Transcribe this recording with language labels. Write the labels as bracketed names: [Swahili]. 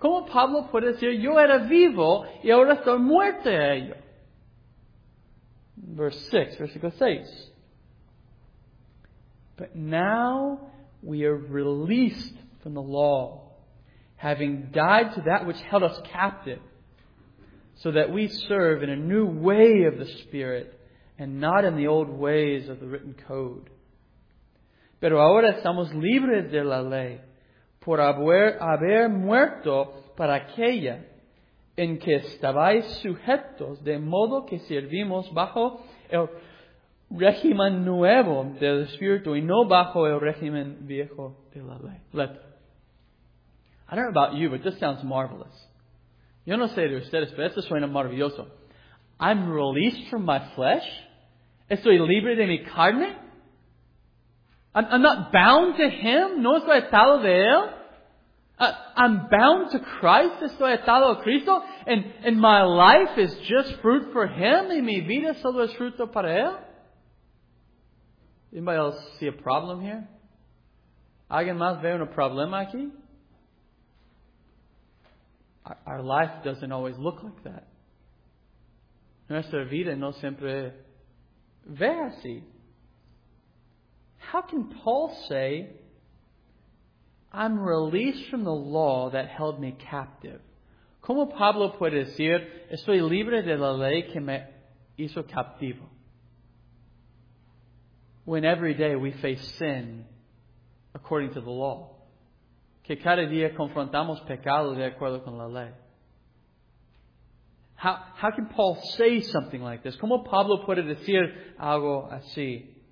[Spanish] Como Pablo puede decir, yo era vivo y ahora estoy muerto a ello. Versículo 6. [English] But now we are released from the law, having died to that which held us captive, so that we serve in a new way of the Spirit and not in the old ways of the written code. [Spanish] Pero ahora estamos libres de la ley por haber muerto para aquella en que estabais sujetos, de modo que servimos bajo el régimen nuevo del Espíritu y no bajo el régimen viejo de la ley. [English] I don't know about you, but this sounds marvelous. [Spanish] Yo no sé de ustedes, pero esto suena maravilloso. [English] I'm released from my flesh. [Spanish] Estoy libre de mi carne. [English] I'm not bound to Him. [Spanish] No estoy atado de Él. [English] I'm bound to Christ. [Spanish] Estoy atado a Cristo. [English] And my life is just fruit for Him. [Spanish] Y mi vida solo es fruto para Él. [English] Anybody else see a problem here? [Spanish] ¿Alguien más ve un problema aquí? [English] Our life doesn't always look like that. [Spanish] Nuestra vida no siempre ve así. [English] How can Paul say, I'm released from the law that held me captive? [Spanish] ¿Cómo Pablo puede decir, estoy libre de la ley que me hizo captivo? [English] When every day we face sin according to the law. [Spanish] Que cada día confrontamos pecado de acuerdo con la ley. [English] How can Paul say something like this? [Spanish] ¿Cómo Pablo puede decir algo así?